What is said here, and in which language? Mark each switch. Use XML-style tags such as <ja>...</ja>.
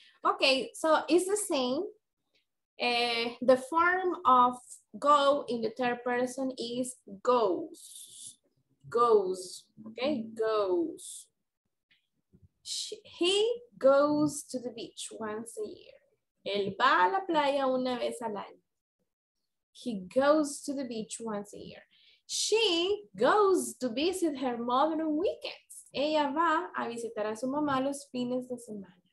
<en>Okay, so it's the same. The form of go in the third person is goes. Goes, okay, goes. He goes to the beach once a year.</en> <es>Él va a la playa una vez al año.</es> <en>He goes to the beach once a year. She goes to visit her mother on weekends.</en> <es>Ella va a visitar a su mamá los fines de semana.</es>